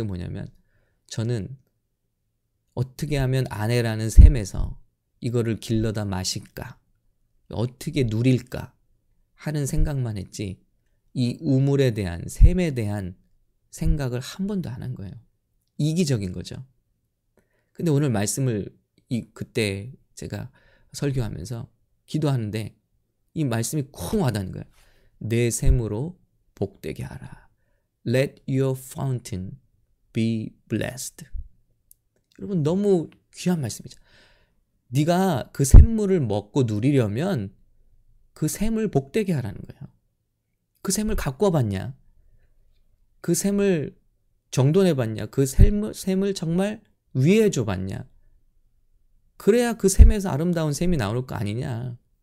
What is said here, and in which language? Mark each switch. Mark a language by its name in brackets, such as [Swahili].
[Korean] 그게 뭐냐면 저는 어떻게 하면 아내라는 샘에서 이거를 길러다 마실까, 어떻게 누릴까 하는 생각만 했지 이 우물에 대한, 샘에 대한 생각을 한 번도 안 한 거예요. 이기적인 거죠. 근데 오늘 말씀을 그때 제가 설교하면서 기도하는데 이 말씀이 콩 와닿는 거예요. 내 샘으로 복되게 하라. [English] Let your fountain be blessed. [Korean] 여러분 너무 귀한 말씀이죠. 네가 그 샘물을 먹고 누리려면 그 샘을 복되게 하라는 거예요. 그 샘을 갖고 봤냐? 그 샘을 정돈해 봤냐? 그 샘을 정말 위해 줘 봤냐? 그래야 그 샘에서 아름다운 샘이 나올 거 아니냐?